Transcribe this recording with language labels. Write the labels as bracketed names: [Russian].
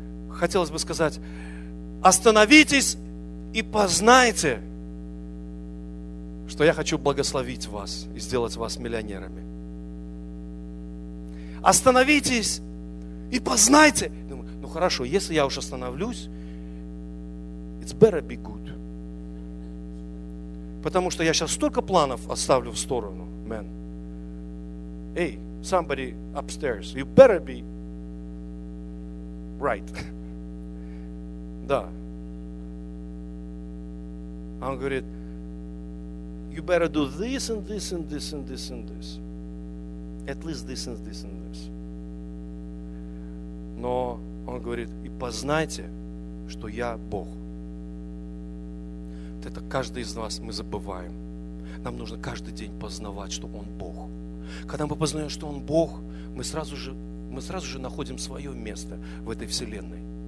[Russian] Хотелось бы сказать, остановитесь и познайте, что я хочу благословить вас и сделать вас миллионерами. остановитесь и познайте. Думаю, ну хорошо, если я уж остановлюсь, [English] it's better be good. [Russian] Потому что я сейчас столько планов оставлю в сторону, man. [English] Hey, somebody upstairs, you better be right. [Russian] Да. Он говорит, [English] you better do this and this and this and this and this. At least this and this and this. [Russian] Но он говорит, и познайте, что я Бог. Вот это каждый из нас мы забываем. Нам нужно каждый день познавать, что Он Бог. Когда мы познаем, что Он Бог, мы сразу же находим свое место в этой вселенной.